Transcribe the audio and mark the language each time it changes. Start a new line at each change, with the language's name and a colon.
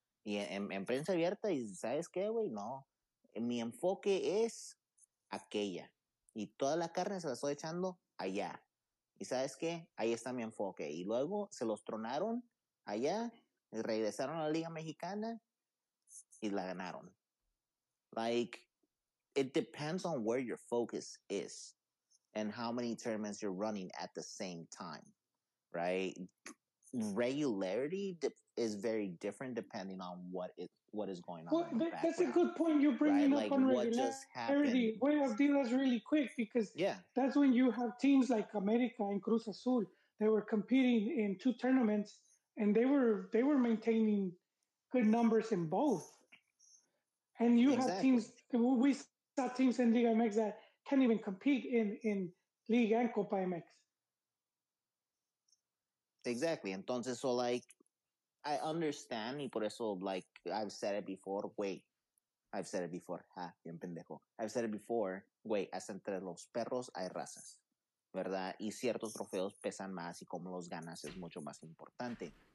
Spanish: Y en prensa abierta, y ¿sabes qué, güey? No, mi enfoque es aquella. Y toda la carne se la estoy echando allá. ¿Y sabes qué? Ahí está mi enfoque. Y luego se los tronaron allá, regresaron a la Liga Mexicana y la ganaron.
English: Like, it depends on where your focus is and how many tournaments you're running at the same time, right? Regularity is very different depending on what is going on. Well, that's a good point you're bringing up, on regularity. Wait, I'll do that really quick, because that's when you have teams like America and Cruz Azul. They were competing in two tournaments, and they were maintaining good numbers in both. And you have teams, we saw teams in Liga MX that can't even compete in Liga and Copa MX. Exactly.
Spanish: Entonces,
English: so like, I understand,
Spanish: y por eso,
English: like, I've said it before,
Spanish: güey, hasta entre los perros hay razas, ¿verdad? Y ciertos trofeos pesan más, y cómo los ganas es mucho más importante.